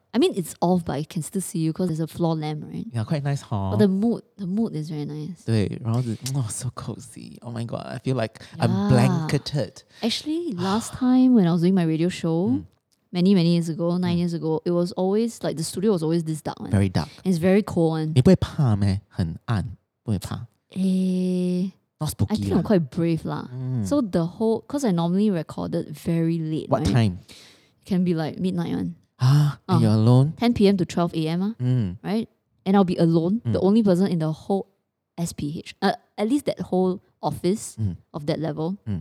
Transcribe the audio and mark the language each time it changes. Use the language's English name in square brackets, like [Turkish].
[English] I mean, it's off, but I can still see you because there's a floor lamp, right? Yeah, quite nice, huh? But the mood is very nice. [Chinese] 对,然后, [English] oh, so cozy. Oh my God, I feel like yeah. I'm blanketed. Actually, last time when I was doing my radio show, many, many years ago, 9 years ago, it was always like the studio was always this dark. Very dark. And it's very cold. [Chinese] 你不会怕吗?很暗,不会怕? [English] Not spooky. I think I'm quite brave lah. So the whole, because I normally recorded very late. What time? It can be like midnight one. And you're alone? 10 p.m. to 12 a.m. Right? And I'll be alone. The only person in the whole SPH. At least that whole office of that level.